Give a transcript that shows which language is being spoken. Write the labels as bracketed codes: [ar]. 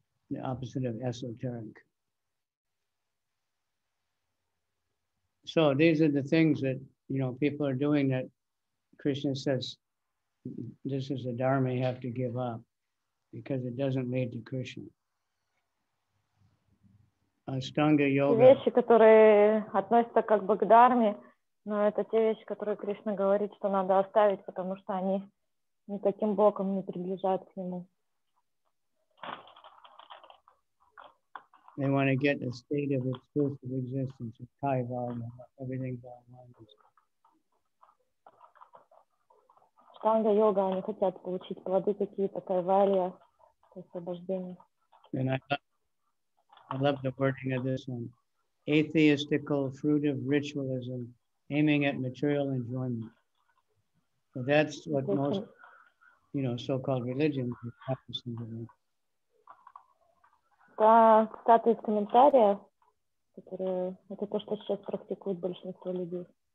[en] The opposite of esoteric. So these are the things that, you know, people are doing that Krishna says, this is a dharma you have to give up because it doesn't lead to Krishna. [ru] Вещи, которые относятся как бы к дхарме, Но это те вещи, которые Кришна говорит, что надо оставить, потому что они никаким боком не приближают к нему. [en] They want to get in a state of exclusive existence of Kaivalya, everything Kaivalya is. [ru] Штанга-йога, они хотят получить плоды какие-то, Кайвалья, освобождение. [en] And I love the wording of this one. Atheistical fruit of ritualism aiming at material enjoyment. So that's what most, you know, so-called religion is practicing today. [ru] Цитаты из комментария, которые это то, что сейчас практикует большинство людей.